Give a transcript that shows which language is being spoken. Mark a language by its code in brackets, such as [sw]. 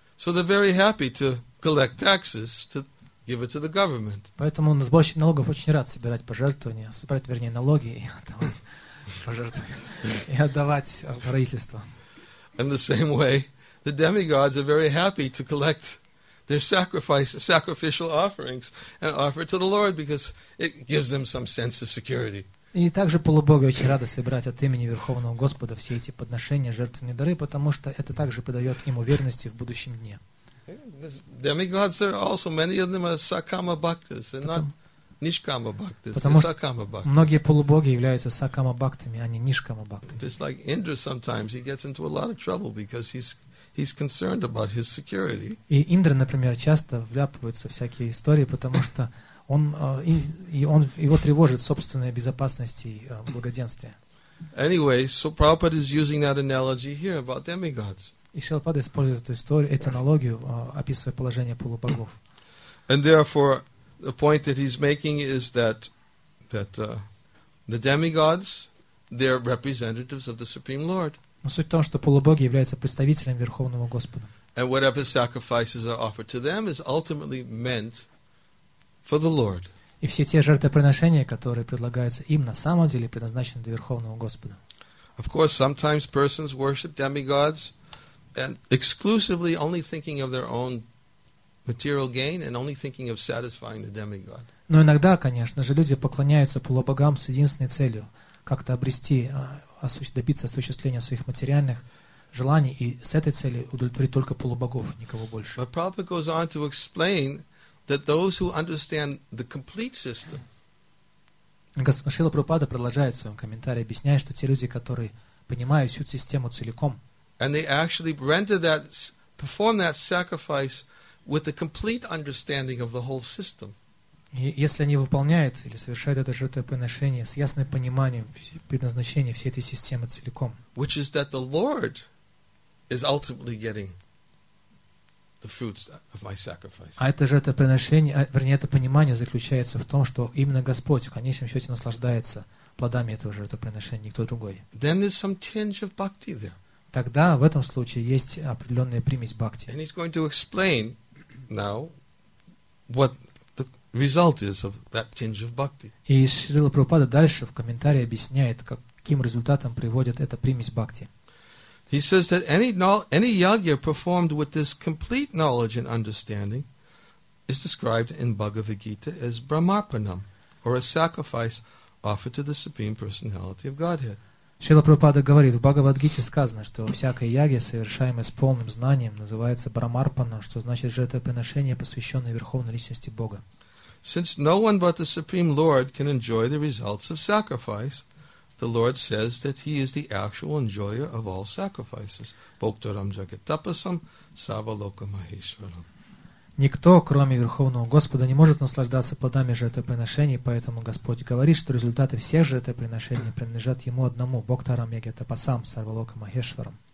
[en] So they're very happy to collect taxes to give it to the government. [ru] Поэтому сборщик налогов очень рад собирать пожертвования, собирать, вернее, налоги и отдавать пожертвования и отдавать правительству. [en] In the same way, the demigods are very happy to collect their sacrificial offerings and offer it to the Lord because it gives them some sense of security. [ru] И также полубоги очень рады собирать от имени Верховного Господа все эти подношения, жертвенные дары, потому что это также придает им уверенности в будущем дне. [en] Demigods are also, many of them are Sakama Bhaktas, and not Nishkama Bhaktas, they're Sakama Bhaktas. [ru] Многие полубоги являются Сакама Бхактами, а не Нишкама Бхактами. [en] Just like Indra sometimes, he gets into a lot of trouble because he's concerned about his security. [ru] И Индра, например, часто вляпывается в всякие истории, потому что он, он его тревожит собственная безопасность и благоденствие. [en] Anyway, so Prabhupada is using that analogy here about demigods. [ru] И Шрила Прабхупада использует эту историю, эту аналогию, описывая положение полубогов. [en] And therefore, the point that he's making is that the demigods, they're representatives of the Supreme Lord. [ru] Но суть в том, что полубоги являются представителями Верховного Господа. [en] And whatever sacrifices are offered to them is ultimately meant for the Lord. [ru] И все те жертвоприношения, которые предлагаются им, на самом деле предназначены для Верховного Господа. [en] Of course, sometimes persons worship demigods and exclusively only thinking of their own material gain and only thinking of satisfying the demigod. [ru] Но иногда, конечно же, люди поклоняются полубогам с единственной целью как-то обрести, добиться осуществления своих материальных желаний и с этой целью удовлетворить только полубогов, никого больше. [en] But Prabhupada goes on to explain that those who understand the complete system. [ru] Шрила Прабхупада продолжает в своем комментарии, объясняя, что те люди, которые понимают всю систему целиком, [en] and they actually render that, perform that sacrifice with the complete understanding of the whole system. [ru] И если они выполняют или совершают это жертвоприношение с ясным пониманием предназначения всей этой системы целиком, [en] which is that the Lord is ultimately getting the fruits of my sacrifice. [ru] А это жертвоприношение, вернее, это понимание заключается в том, что именно Господь в конечном счете наслаждается плодами этого жертвоприношения, никто другой. [en] Then there's some tinge of bhakti there. [ru] Тогда в этом случае есть определенная примесь бхакти. [en] And he's going to explain now what the result is of that tinge of bhakti. [ru] И Шрила Прабхупада дальше в комментарии объясняет, каким результатом приводит эта примесь бхакти. [en] He says that any yagya performed with this complete knowledge and understanding is described in Bhagavad Gita as brahmarpanam, or a sacrifice offered to the Supreme Personality of Godhead. [ru] Шрила Прабхупада говорит, в Бхагавад-гите сказано, что всякая ягья, совершаемая с полным знанием, называется брахмарпана, что значит жертвоприношение, посвященное Верховной Личности Бога. [en] Since no one but the Supreme Lord can enjoy the results of sacrifice, the Lord says that He is the actual enjoyer of all sacrifices. [sa] Bhoktaram jagatapasam savaloka maheshwaram. [ru] Никто, кроме Верховного Господа, не может наслаждаться плодами жертвоприношений, поэтому Господь говорит, что результаты всех жертвоприношений принадлежат Ему одному, [sa] Бхоктарам Ягьятапасам, Сарвалока Махешварам.